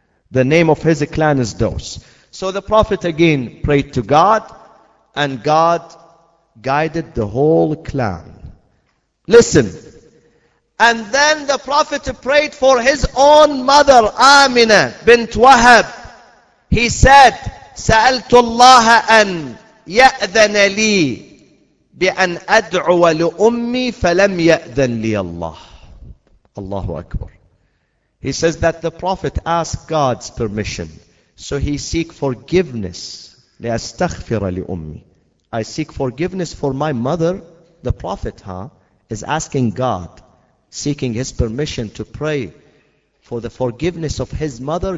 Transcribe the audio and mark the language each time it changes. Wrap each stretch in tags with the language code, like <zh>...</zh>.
<en>The name of his clan is Daws. So the Prophet again prayed to God and God guided the whole clan. Listen. And then the Prophet prayed for his own mother, Amina bint Wahab. He said,</en> <ar>سألت الله أن يأذن لي بأن أدعو لأمي فلم يأذن لي الله.</ar> <en>Allahu Akbar. He says that the Prophet asked God's permission. So he seek forgiveness.</en> <ar>لأستغفر لأمي.</ar> <en>I seek forgiveness for my mother. The Prophet, is asking God, seeking his permission to pray for the forgiveness of his mother.</en>